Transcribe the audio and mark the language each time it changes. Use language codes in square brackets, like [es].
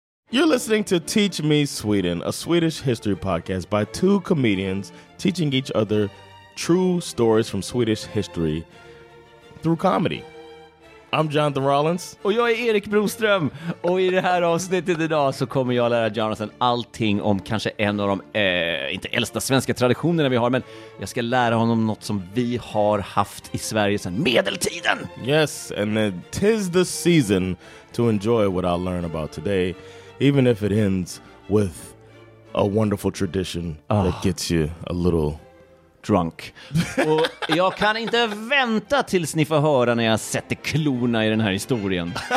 [en] You're listening to Teach Me Sweden, a Swedish history podcast by two comedians teaching each other true stories from Swedish history through comedy. I'm Jonathan Rollins. [sv] Och jag är Erik Broström. Och i det här avsnittet idag så kommer jag lära Jonathan allting om kanske en av de, inte äldsta svenska traditionerna vi har, men jag ska lära honom något som vi har haft i Sverige sedan medeltiden. [en] Yes, and then 'tis the season to enjoy what I'll learn about today. Even if it ends with a wonderful tradition that gets you a little drunk. [sv] Och jag kan inte vänta tills ni får höra när jag sätter klona i den här historien.